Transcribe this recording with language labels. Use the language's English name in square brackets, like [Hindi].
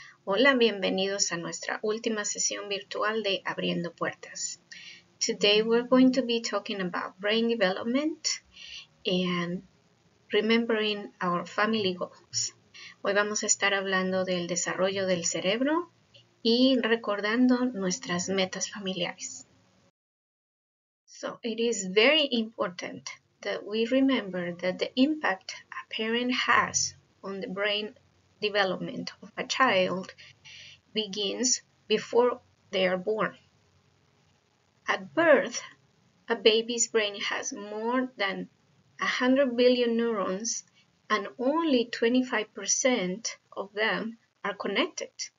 [Spanish] Hola, bienvenidos a nuestra última sesión virtual de Abriendo Puertas. [English] Today we're going to be talking about brain development and remembering our family goals. [Spanish] Hoy vamos a estar hablando del desarrollo del cerebro y recordando nuestras metas familiares. [English] So, it is very important that we remember that the impact a parent has on the brain development of a child begins before they are born. At birth, a baby's brain has more than 100 billion neurons and only 25% of them are connected.